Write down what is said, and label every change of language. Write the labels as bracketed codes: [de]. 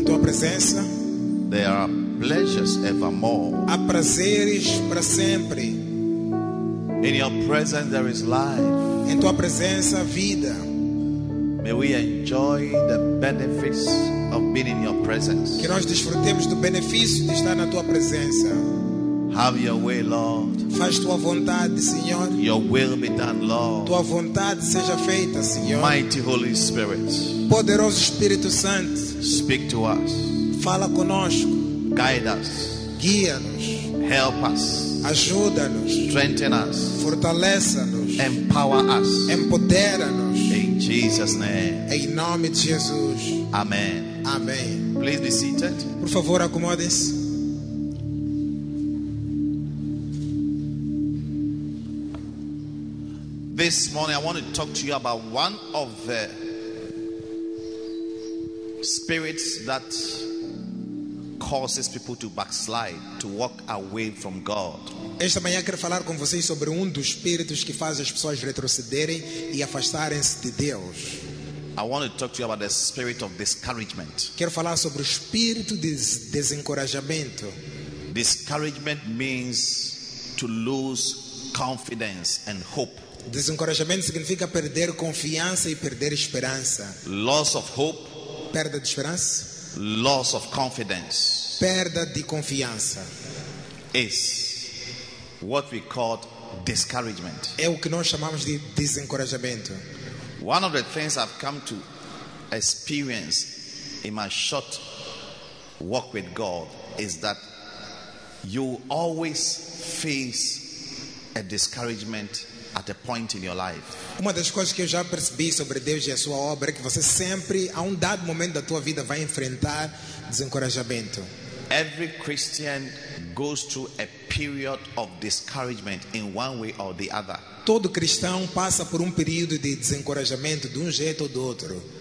[pt] em tua presença, [en] there are pleasures evermore. [pt] Há prazeres para sempre. [en] In your presence, there is life. [pt] Em tua presença, vida. [en] May we enjoy the benefits of being in your presence. [pt] Que nós desfrutemos do benefício de estar na tua presença. [en] Have your way, Lord. [pt] Faz tua vontade, Senhor. [en] Your will be done, Lord. [pt] Tua vontade seja feita, Senhor. [en] Mighty Holy Spirit. [pt] Poderoso Espírito Santo. [en] Speak to us. [pt] Fala conosco. [en] Guide us. [pt] Guia-nos. [en] Help us. [pt] Ajuda-nos. [en] Strengthen us. [pt] Fortaleça-nos. [en] Empower us. [pt] Empodera-nos. [en] In Jesus' name. [pt] Em nome de Jesus. [en] Amen. [pt] Amém. [en] Please be seated. [pt] Por favor, acomode-se. [en] This morning I want to talk to you about one of the spirits that causes people to backslide, to walk away from God. [pt] Esta manhã quero falar com vocês sobre um dos espíritos que faz as pessoas retrocederem e afastarem-se de Deus. [en] I want to talk to you about the spirit of discouragement. [pt] Quero falar sobre o espírito de desencorajamento. [en] Discouragement means to lose confidence and hope. [pt] Desencorajamento significa perder confiança e perder esperança. [en] Loss of hope. [pt] Perda de esperança. [en] Loss of confidence. [pt] Perda de confiança. [en] Is what we call discouragement. [pt] É o que nós chamamos de desencorajamento. [en] One of the things I've come to experience in my short walk with God is that you always face a discouragement at a point in your life. [pt] Uma das coisas que eu já percebi sobre Deus e a sua obra é que você sempre, a dado momento da tua vida, vai enfrentar desencorajamento. [en] Every Christian goes through a period of discouragement in one way or the other. [pt] Todo cristão passa por período de desencorajamento de jeito ou do outro.